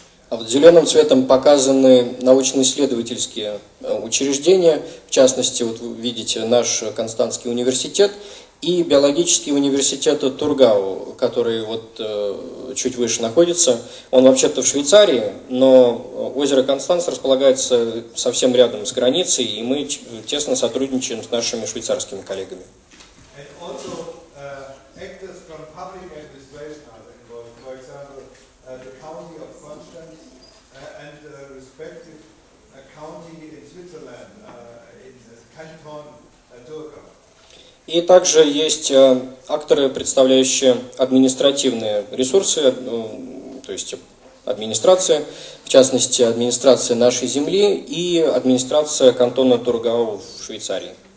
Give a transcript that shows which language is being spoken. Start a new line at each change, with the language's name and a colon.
Russian: А вот зеленым цветом показаны научно-исследовательские учреждения, в частности, вот вы видите наш Константский университет и биологический университет Тургау, который вот чуть выше находится. Он вообще-то в Швейцарии, но озеро Констанц располагается совсем рядом с границей, и мы тесно сотрудничаем с нашими швейцарскими коллегами.
English: And also, looking at this place now, for example, the county of Konstanz and the respective county in Switzerland, in the Canton Thurgau.
Russian: И также есть акторы, представляющие административные ресурсы, то есть администрация, в частности, администрация нашей земли и администрация кантона Тургау в Швейцарии.